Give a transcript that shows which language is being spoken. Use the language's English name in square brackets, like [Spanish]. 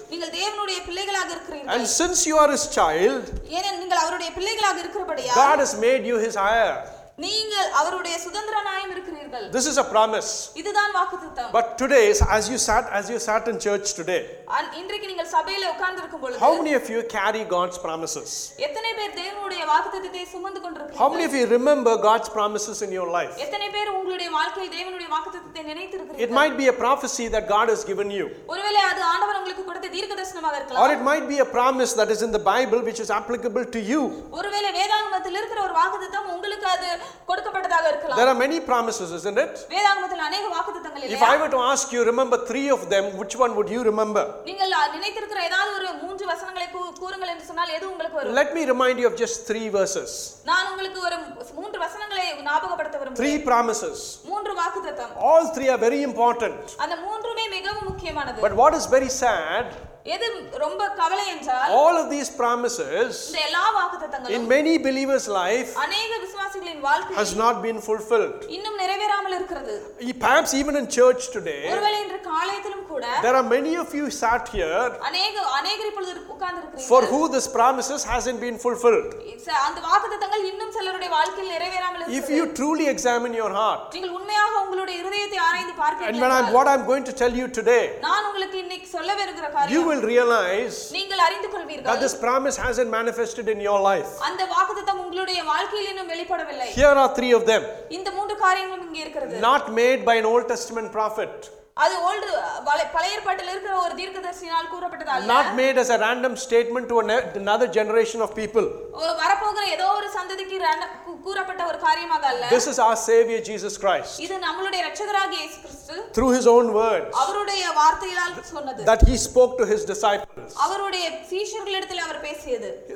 [Tamil] நீங்கள் தேவனுடைய பிள்ளைகளாக இருக்கிறீர்கள் [English] and since you are his child [Tamil] ஏனென்றால் நீங்கள் அவருடைய பிள்ளைகளாக இருக்கிறபடியால் [English] God has made you his heir [Tamil] நீங்கள் அவருடைய சுதந்திரனாய் இருக்கிறீர்கள் [English] This is a promise [Tamil] இதுதான் வாக்குத்தத்தம் [English] but today as you sat in church today [Tamil] and இன்றைக்கு நீங்கள் சபையிலே உட்கார்ந்திருக்கும் பொழுது [English] how many of you carry God's promises [Tamil] எத்தனை பேர் தேவனுடைய வாக்குத்தத்தை சுமந்து கொண்டிருக்கிறீர்கள் [English] how many of you remember God's promises in your life [Tamil] எத்தனை பேர் உங்களுடைய வாழ்க்கையில் தேவனுடைய வாக்குத்தத்தை நினைத்திருக்கிறீர்கள் [English] it might be a prophecy that God has given you [Tamil] ஒருவேளை அது ஆண்டவர் உங்களுக்கு கொடுத்த தீர்க்கதரிசனமாக இருக்கலாம் [English] or it might be a promise that is in the Bible which is applicable to you [Tamil] ஒருவேளை வேதாகமத்தில் இருக்கிற ஒரு வாக்குத்தத்தம் உங்களுக்கு அது கொடுக்கப்பட்டதாக இருக்கலாம் [English] there are many promises isn't it [Tamil] வேதாகமத்தில் [Hindi] अनेक [Tamil] வாக்குத்தத்தங்கள் இல்லையா [English] if I were to ask you remember 3 of them which one would you remember [Tamil] நீங்கள் நினைத்திருக்கிற ஏதாவது ஒரு 3 வசனங்களை கூறுங்கள் என்று சொன்னால் எது உங்களுக்கு வரும் [English] let me remind you of just 3 verses [Tamil] நான் உங்களுக்கு ஒரு 3 வசனங்களை ஞாபகப்படுத்த விரும்புகிறேன் [English] 3 promises [Tamil] 3 வாக்குத்தத்தம் [English] all 3 are very important [Tamil] அந்த மூன்றுமே மிகவும் முக்கியமானது [English] but what is very sad [Tamil] எது ரொம்ப கவலை என்றால் [English] all of these promises [Tamil] இந்த எல்லா வாக்குத்தத்தங்களும் [English] in many believers life [Tamil] அநேக விசுவாசிகளின் வாழ்க்கையில் [English] has not been fulfilled [Tamil] இன்னும் நிறைவேறாமல் இருக்கிறது [English] perhaps even in church today [Tamil] ஒருவேளை இன்று காலையிலும் கூட [English] there are many of you sat here [Tamil] அநேகர் இப்பொழுது உட்கார்ந்திருக்கிறீர்கள் [English] for who this promises hasn't been fulfilled [Tamil] அந்த வாக்குத்தத்தங்கள் இன்னும் சிலருடைய வாழ்க்கையில் நிறைவேறாமல் இருக்கிறது [English] if you truly examine your heart [Tamil] நீங்கள் உண்மையாக உங்களுடைய இதயத்தை ஆராய்ந்து பார்க்கிறீர்கள் [English] and what I'm going to tell you today [Tamil] நான் உங்களுக்கு இன்னைக்கு சொல்லவே இருக்கிற காரியம் [English] you will realize [Tamil] நீங்கள் அறிந்து கொள்வீர்கள் [English] that this promise hasn't manifested in your life [Tamil] அந்த வாக்குத்தத்தம் உங்களுடைய வாழ்க்கையில் இன்னும் வெளிப்படவில்லை [English] here are three of them [Tamil] இந்த மூன்று காரியங்களும் இங்கே இருக்கிறது [English] not made by an old testament prophet [Tamil] அது ஓல்ட் பழைய ஏற்பாட்டில் இருக்கிற ஒரு தீர்க்கதரிசியால் கூறப்பட்டது அல்ல [English] not made as a random statement to another generation of people [Tamil] வரப்போகிற ஏதோ ஒரு சந்ததிக்கு கூறப்பட்ட ஒரு காரியமாக அல்ல [English] this is our savior jesus christ [Tamil] இது நம்மளுடைய இரட்சகராகிய இயேசு கிறிஸ்து [English] through his own words [Tamil] அவருடைய வார்த்தையால் சொன்னது [English] that he spoke to his disciples [Tamil] அவருடைய சீஷர்களிடத்தில் அவர் பேசியது